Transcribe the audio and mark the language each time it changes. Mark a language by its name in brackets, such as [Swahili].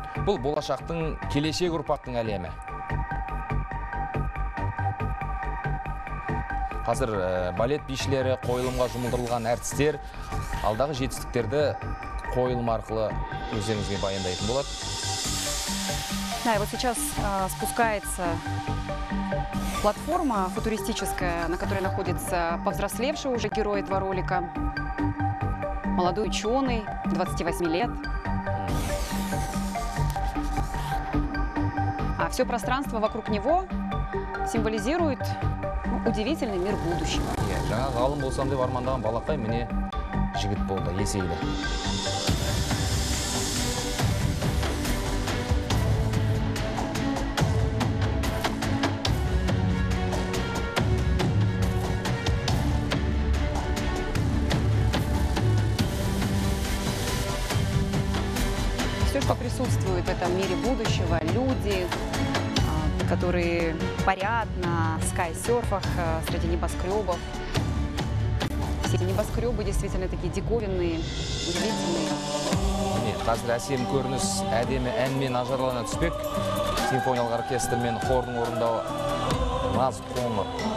[Kazakh] Бұл болашақтың, келешек ұрпақтың әлемі. Қазір балет бишілері, қойылымға жұмылдырылған әртістер алдағы жетістіктерді қойылым арқылы өздеріңізге баяндайтын болады. [Russian] Да, и вот сейчас спускается платформа футуристическая, на которой находится повзрослевший уже герой этого ролика. Молодой ученый, 28 лет. А все пространство вокруг него символизирует удивительный мир будущего. [Kazakh] Я жаңа ғалым болсам деп армандаған балақай мені жігіт болды, есейді. [Russian] Присутствует в этом мире будущего люди, которые парят на скайсерфах среди небоскребов. Все эти небоскребы действительно такие диковинные, удивительные. [Kazakh] Нет, қазір әсем көрініс әдемі әнмен ажарлана түспек. Симфониялық оркестр мен хордың орындауы наз қоңыр.